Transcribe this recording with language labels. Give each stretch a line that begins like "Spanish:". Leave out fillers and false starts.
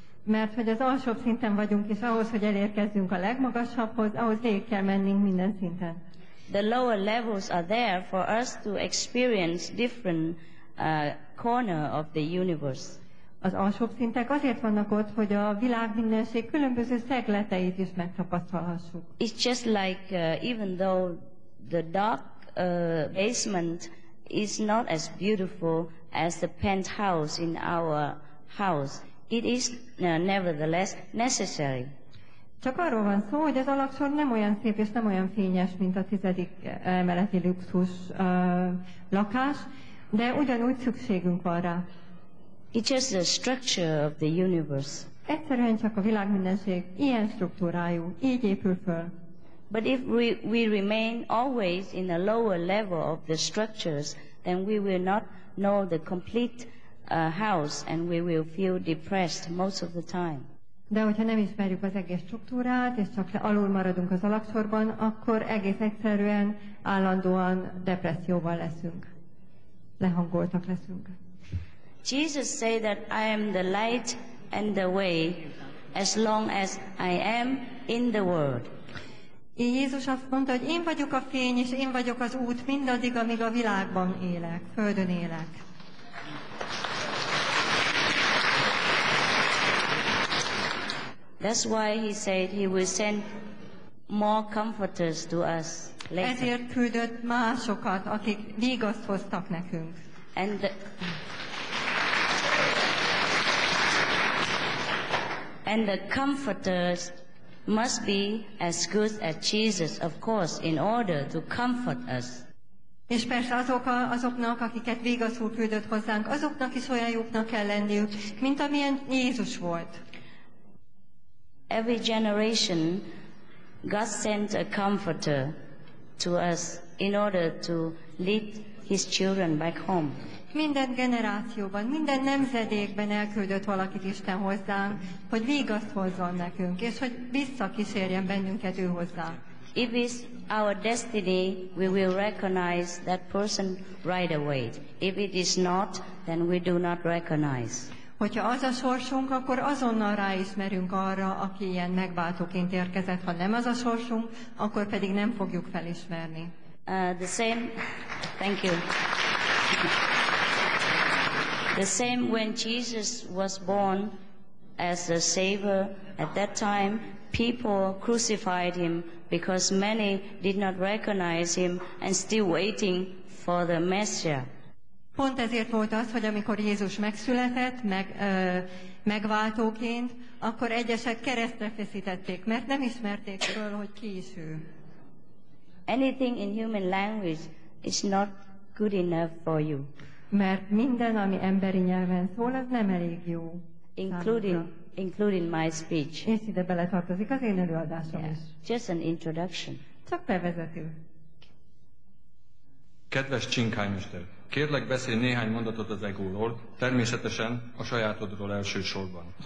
Hungarian: Mert hogy az alsóbb szinten vagyunk, és ahhoz, hogy elérkezzünk a legmagasabbhoz, ahhoz végig kell mennünk minden szinten.
English: The lower levels are there for us to experience different corner of the universe.
Hungarian: Az alsóbb szintek azért vannak ott, hogy a világ mindenség különböző szegleteit is megtapasztalhassuk.
English: It's just like even though the dark basement is not as beautiful as the penthouse in our house, it is nevertheless necessary.
Hungarian: Csak arról van szó, hogy az alaksor nem olyan szép és nem olyan fényes, mint a tizedik emeleti luxus lakás, de ugyanúgy szükségünk van rá.
English: It's just the structure of the universe.
Hungarian: Egyszerűen csak a világmindenség ilyen struktúrájú, így épül föl.
English: But if we remain always in a lower level of the structures, then we will not know the complete house and we will feel depressed most of the time.
Hungarian: De hogyha nem ismerjük az egész struktúrát, és csak alul maradunk az alaksorban, akkor egész egyszerűen állandóan depresszióval leszünk. Lehangoltak leszünk.
English: Jesus said that I am the light and the way as long as I am in the world.
Hungarian: Jézus azt mondta, hogy én vagyok a fény és én vagyok az út mindaddig, amíg a világban élek, földön élek.
English: That's why he said he will send more comforters to us later.
Hungarian: Ezért küldött másokat, akik vígaszt hoztak nekünk.
English: And the comforters must be as good as Jesus, of course, in order to comfort us.
Hungarian: És persze azoknak, akiket vígaszul küldött hozzánk, azoknak is olyan jóknak kell lenniük, mint amilyen Jézus volt.
English: Every generation, God sent a comforter to us in order to lead his children back home.
Hungarian: Minden generációban, minden nemzedékben elküldött valakit Isten hozzánk, hogy vígaszt hozzon nekünk, és hogy visszakísérjen bennünket ő hozzá.
English: If it's our destiny, we will recognize that person right away. If it is not, then we do not recognize.
Hungarian: Hogyha az a sorsunk, akkor azonnal ráismerünk arra, aki ilyen megváltóként érkezett. Ha nem az a sorsunk, akkor pedig nem fogjuk felismerni.
English: The same. Thank you. The same when Jesus was born as a savior, at that time people crucified him because many did not recognize him and still waiting for the Messiah.
Hungarian: Pont ezért volt az, hogy amikor Jézus megszületett, megváltóként, akkor egyesek keresztre feszítették, mert nem ismerték föl, hogy ki is ő.
English: Anything in human language is not good enough for you.
Hungarian: Mert minden, ami emberi nyelven szól, az nem elég jó.
English: Including my speech.
Hungarian: És ide beletartozik az én előadásom is.
English: Just an introduction.
Hungarian: Csak bevezető. Kedves Csinkhájmester, kérlek beszélj néhány mondatot az egóról, természetesen a sajátodról elsősorban.